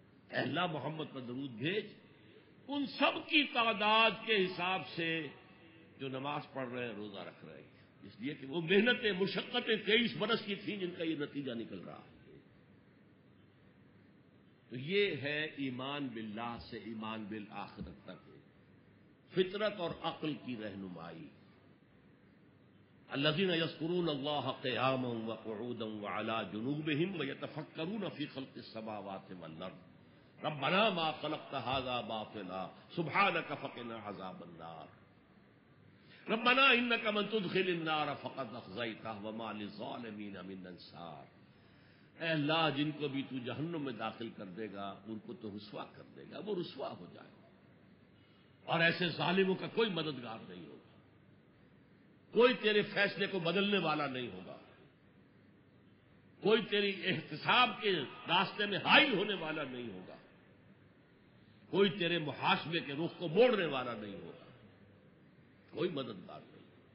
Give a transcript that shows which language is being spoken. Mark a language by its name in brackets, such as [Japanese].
[Urdu] اے اللہ محمد پر درود بھیج ان سب کی تعداد کے حساب سے جو نماز پڑھ رہے ہیں، روزہ رکھ رہے ہیں. اس لیے کہ وہ محنتیں مشقتیں 23 برس کی تھیں جن کا یہ نتیجہ نکل رہا ہے. تو یہ ہے ایمان باللہ سے ایمان بالآخرت تک فطرت اور عقل کی رہنمائی. [Arabic] الذین یذکرون اللہ قیاما وقعودا وعلى جنوبهم ویتفکرون فی خلق السماوات والارض ربنا ما خلقت هذا باطلا سبحانک فقنا عذاب النار ربنا انك من تدخل النار فقد اخزيته وما للظالمين من انصار. [Urdu] اے اللہ جن کو بھی تو جہنم میں داخل کر دے گا ان کو تو رسوا کر دے گا، وہ رسوا ہو جائے گا، اور ایسے ظالموں کا کوئی مددگار نہیں ہوگا، کوئی تیرے فیصلے کو بدلنے والا نہیں ہوگا، کوئی تیری احتساب کے راستے میں حائل ہونے والا نہیں ہوگا، کوئی تیرے محاسبے کے رخ کو موڑنے والا نہیں ہوگا، کوئی مددگار نہیں.